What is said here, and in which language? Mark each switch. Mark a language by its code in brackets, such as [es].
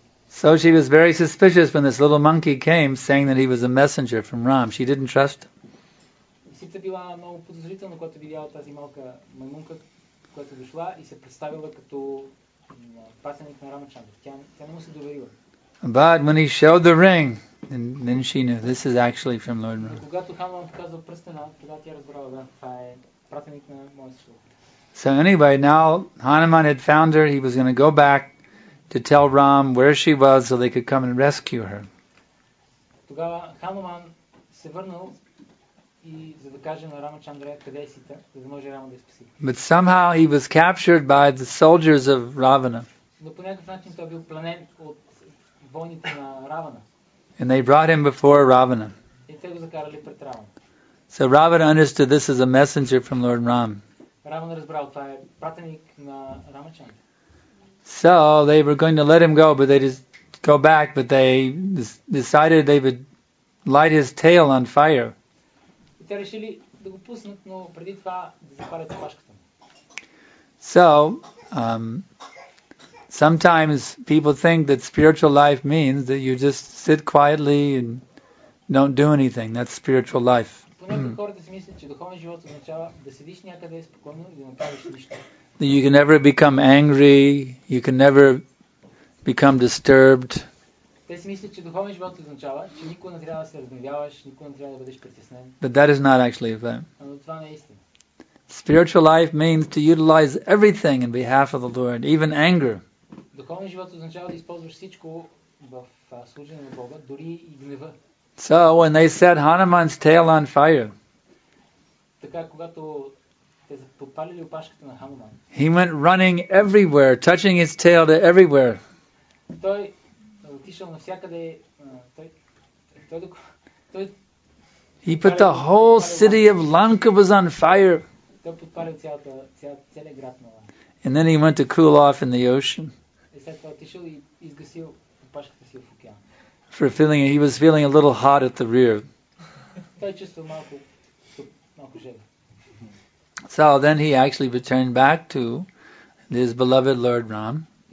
[en] So she was very suspicious when this little monkey came, saying that he was a messenger from Ram. She didn't trust him. [bg] Сита била много подозрителна, когато видяла тази малка маймунка, която дошла и се представила като пасеник на Рамачандра. Тя не му се доверила. [en] But when he showed the ring, then she knew this is actually from Lord Ram. [bg] Когато Хануман показа пръстена, тогава тя разбрала, да, това е пратеник на моя слуга. [en] So anyway, now Hanuman had found her. He was going to go back to tell Ram where she was so they could come and rescue her. [bg] Тогава Хануман се върнал и за да каже на Рамачандра къде е Сита, за да може Рама да я спаси. [en] But somehow he was captured by the soldiers of Ravana. [bg] Но по някакъв начин той бил пленен от войните на Равана. [en] And they brought him before Ravana. [bg] И те го закарали пред Равана. [en] So Ravana understood this is a messenger from Lord Ram. [bg] Равана разбрал, това е пратеник на Рамачандра. [en] So they were going to let him go, but they just go back, but they decided they would light his tail on fire. [bg] Те решили да го пуснат, но преди това да запалят опашката. [en] So, sometimes people think that spiritual life means that you just sit quietly and don't do anything. That's spiritual life. [bg] Понякога хората си мислят, че духовен живот означава да седиш някъде спокойно и да не правиш нищо. [en] You can never become angry, you can never become disturbed. [bg] Те си мислят, че духовен живот означава, че никога не трябва да се разгневяваш, никога не трябва да бъдеш притеснен. [en] But that is not actually a thing. [bg] Но това не е истина. [en] Spiritual life means to utilize everything in behalf of the Lord, even anger. [bg] Духовен живот означава да използваш всичко в служение на Бога, дори и гнева. [en] So when they set Hanuman's tail on fire. [bg] Така когато те подпалили опашката на Хануман. [en] He went running everywhere, touching his tail to everywhere. [bg] Той отишъл навсякъде, той [en] He put the whole city of Lanka was on fire. [bg] Той подпалил целия град на Лан. [en] And then he went to cool off in the ocean. [bg] И след това отишъл и изгасил опашката си в океан. [en] For feeling he was feeling a little hot at the rear. [bg] Той чувствал малко жега. [en] So then he actually returned back to his beloved Lord Ram.